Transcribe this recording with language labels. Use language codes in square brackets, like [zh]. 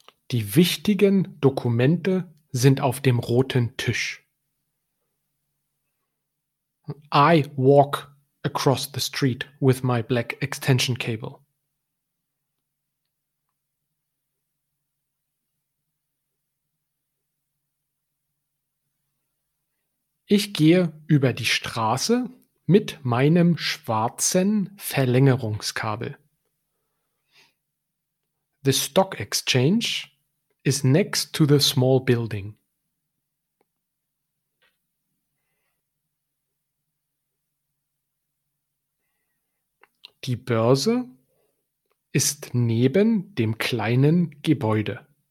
[de] Die wichtigen Dokumente sind auf dem roten Tisch. [en] I walk across the street with my black extension cable. [de] Ich gehe über die Straße mit meinem schwarzen Verlängerungskabel. [en] The stock exchange is next to the small building. [de] Die Börse ist neben dem kleinen Gebäude.